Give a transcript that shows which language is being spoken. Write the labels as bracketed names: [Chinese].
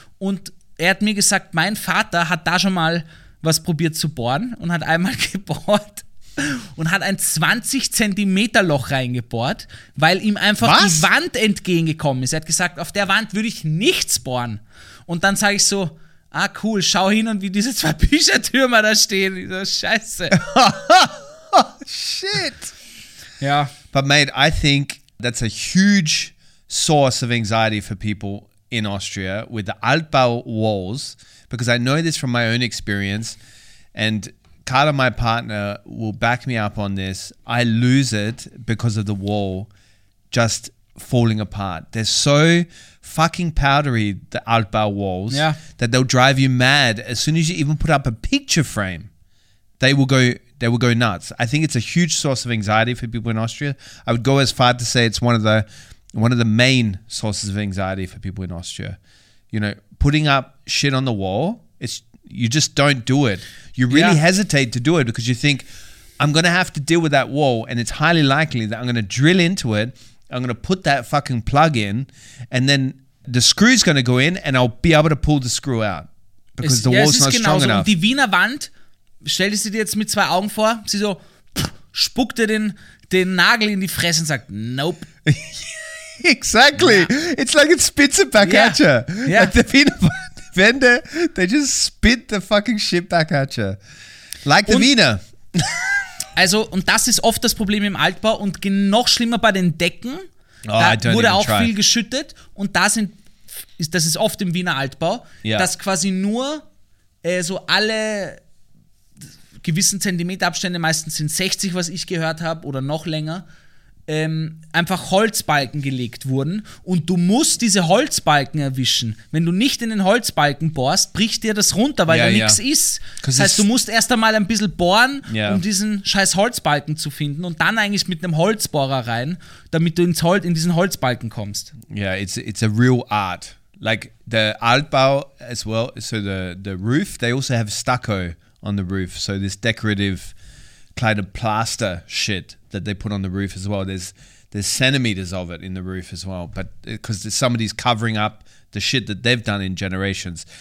[German] Und er hat mir gesagt, mein Vater hat da schon mal was probiert zu bohren und hat einmal gebohrt und hat ein 20 Zentimeter Loch reingebohrt, weil ihm einfach was? Die Wand entgegengekommen ist. Er hat gesagt, auf der Wand würde ich nichts bohren. Und dann sage ich so, ah cool, schau hin und wie diese zwei Büchertürme da stehen. Ich so, scheiße. [English] Shit. [German] Ja. [English] But mate, I think that's a huge source of anxiety for people in Austria with the Altbau walls, because I know this from my own experience, and Carla, my partner, will back me up on this. I lose it because of the wall just falling apart. They're so fucking powdery, the Altbau walls, yeah, that they'll drive you mad. As soon as you even put up a picture frame, they will go nuts. I think it's a huge source of anxiety for people in Austria. I would go as far to say it's one of the main sources of anxiety for people in Austria. You know, putting up shit on the wall, it's, you just don't do it. You really hesitate to do it because you think, I'm going to have to deal with that wall, and it's highly likely that I'm going to drill into it, I'm going to put that fucking plug in, and then the screw's going to go in and I'll be able to pull the screw out because the wall's not strong enough. [German] Die Wiener Wand, stell dir sie jetzt mit zwei Augen vor, sie so spuckt dir den Nagel in die Fresse und sagt, nope. [English] Exactly. Yeah. It's like it spits it back at you. Yeah. Like the Wiener Wände, they just spit the fucking shit back at you. Like the Wiener. [German] Also, und das ist oft das Problem im Altbau und noch schlimmer bei den Decken. Oh, da wurde auch viel geschüttet und das ist oft im Wiener Altbau, dass quasi nur so alle gewissen Zentimeterabstände, meistens sind 60, was ich gehört habe, oder noch länger, einfach Holzbalken gelegt wurden und du musst diese Holzbalken erwischen. Wenn du nicht in den Holzbalken bohrst, bricht dir das runter, weil da nichts ist. Das heißt, du musst erst einmal ein bisschen bohren, um diesen scheiß Holzbalken zu finden und dann eigentlich mit einem Holzbohrer rein, damit du in diesen Holzbalken kommst. [English] Ja, it's a real art. Like the Altbau as well, so the roof, they also have stucco on the roof, so this decorative kind of plaster shit that they put on the roof as well. There's centimeters of it in the roof as well, but because somebody's covering up the shit that they've done in generations.